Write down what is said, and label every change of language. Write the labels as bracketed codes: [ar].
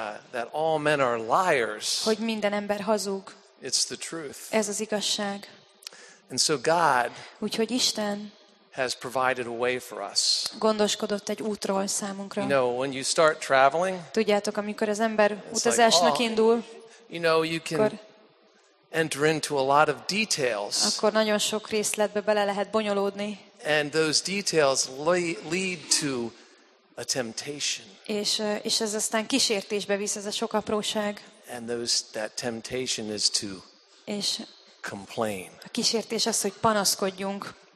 [en] That all men are liars. [hu] Hogy minden ember hazug. [en] It's the truth. [hu] Ez az igazság. [en] And so God, [hu] úgyhogy Isten [en] has provided a way for us. [hu] Gondoskodott egy útról számunkra. [en] You know, when you start traveling, [hu] tudjátok, amikor az ember utazásnak indul, [en] you know, you can enter into a lot of details. [hu] Akkor nagyon sok részletbe bele lehet bonyolódni. [en] And those details lead to a temptation. [hu] És ez aztán kísértésbe visz, ez a sok apróság. [en] And that temptation is to complain. [hu] A kísértés az, hogy panaszkodjunk.